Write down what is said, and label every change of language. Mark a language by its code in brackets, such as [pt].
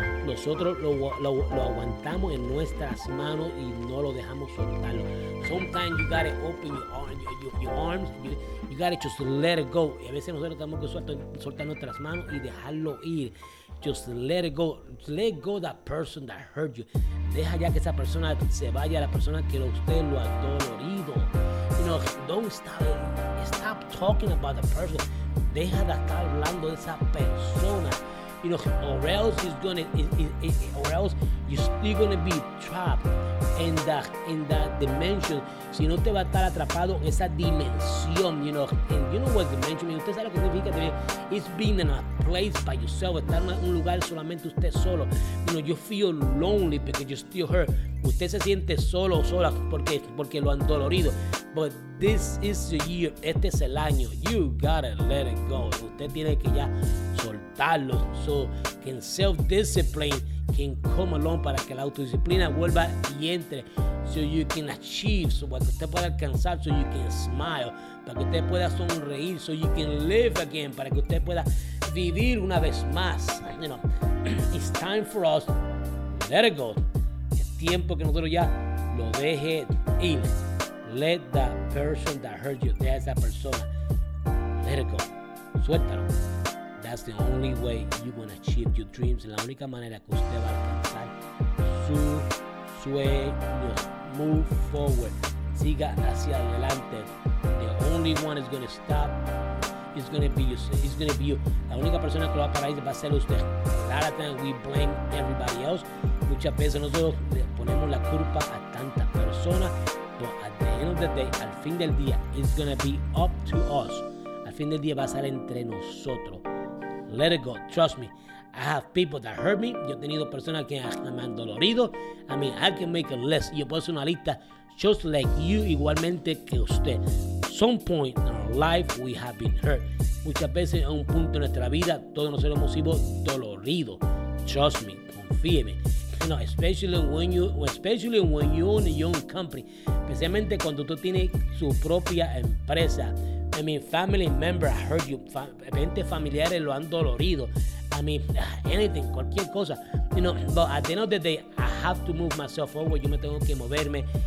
[es] Nosotros lo aguantamos en nuestras manos y no lo dejamos soltarlo. [en] Sometimes you gotta open your arms, you gotta just let it go. [es] Y a veces nosotros tenemos que soltar nuestras manos y dejarlo ir. [en] Just let it go. Let go that person that hurt you. [es] Deja ya que esa persona se vaya, la persona que usted lo ha dolorido. [en] You know, don't stop talking about the person. [es] Deja de estar hablando de esa persona. [en] You know, or else it's gonna, or else you're still gonna be trapped in that dimension. [es] Si no, te va a estar atrapado en esa dimensión. [en] You know, and you know what dimension means. [es] Usted sabe lo que significa. [en] It's being in a place by yourself. [es] Estar en un lugar solamente usted solo. [en] You know, you feel lonely because you're still hurt. [es] Usted se siente solo o sola porque lo han dolorido. [en] But this is the year. [es] Este es el año. [en] You gotta let it go. [es] Usted tiene que ya soltarlo. [en] So can self-discipline can come along [es] para que la autodisciplina vuelva y entre. [en] So you can achieve. So [es] para que usted pueda alcanzar. [en] So you can smile. [es] Para que usted pueda sonreír. [en] So you can live again. [es] Para que usted pueda vivir una vez más. [en] You know, it's time for us to let it go. [es] Tiempo que nosotros ya lo deje ir. [en] Let that person that hurt you, [es] deja esa persona, [en] let it go, [es] suéltalo. [en] That's the only way you're going to achieve your dreams. [es] La única manera que usted va a alcanzar su sueño. [en] Move forward, [es] siga hacia adelante. [en] The only one is going to stop is going to be you. It's going to be you. [es] La única persona que lo va a parar va a ser usted. [en] A lot of times we blame everybody else. [es] Muchas veces nosotros le ponemos la culpa a tantas personas. [en] But at the end of the day, [es] al fin del día, [en] it's going to be up to us. [es] Al fin del día va a ser entre nosotros. [en] Let it go. Trust me. I have people that hurt me. [es] Yo he tenido personas que me han dolorido. [en] I mean, I can make a list. [es] Yo puedo hacer una lista [en] just like you, [es] igualmente que usted. [en] Some point in our life, we have been hurt. [es] Muchas veces en un punto de nuestra vida, todos nosotros hemos sido doloridos. [en] Trust me, confíeme. You know, especially when you own a young company. [es] Especialmente cuando tú tienes su propia empresa. [en] I mean, family member hurt you. [es] Gente familiares lo han dolorido. [en] I mean, anything, [es] cualquier cosa. [en] You know, but at the end of the day, I have to move myself forward. [es] Yo me tengo que moverme.